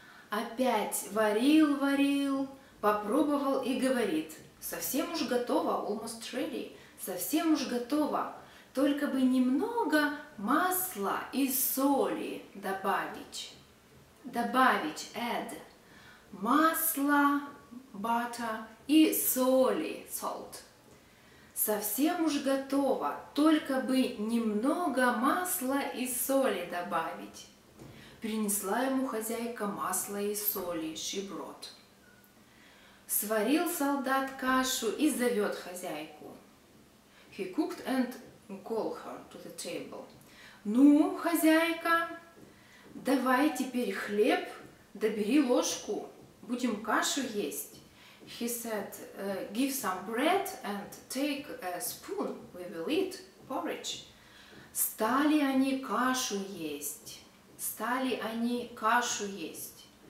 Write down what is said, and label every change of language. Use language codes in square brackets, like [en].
[ru] Опять варил, попробовал и говорит, совсем уж готово, [en] almost ready, [ru] совсем уж готово, только бы немного масла и соли добавить, [en] add, [ru] масло, [en] butter [ru] и соли, [en] salt, [ru] совсем уж готово, только бы немного масла и соли добавить. Принесла ему хозяйка масло и соли, [en] she brought. [ru] Сварил солдат кашу и зовет хозяйку. [en] He cooked and called her to the table. [ru] Ну, хозяйка, давай теперь хлеб, добери ложку, будем кашу есть. [en] He said, give some bread and take a spoon, we will eat porridge. [ru] Стали они кашу есть. Стали они кашу есть.